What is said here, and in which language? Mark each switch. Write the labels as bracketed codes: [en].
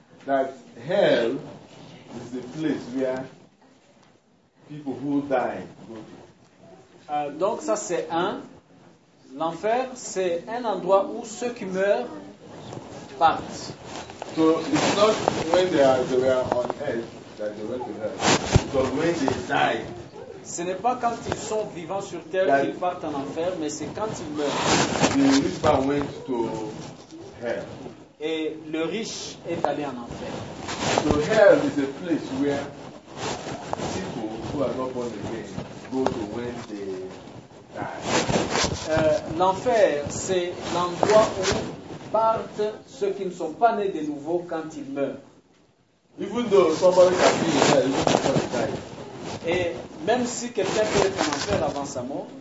[en] That hell is the place where people who die go to. [fr] Donc ça c'est un. L'enfer, c'est un endroit où ceux qui meurent partent. [en] So it's not when they were on earth that they went to hell. But when they die. [fr] Ce n'est pas quand ils sont vivants sur terre qu'ils partent en enfer, mais c'est quand ils meurent. [en] The rich man went to hell. [fr] Et le riche est allé en enfer. [en] So hell is a place where people who are not born again go to when they die. [fr] L'enfer, c'est l'endroit où partent ceux qui ne sont pas nés de nouveau quand ils meurent. [en] Even though somebody can be in hell, even before they die. Et même si quelqu'un peut être en enfer avant sa mort,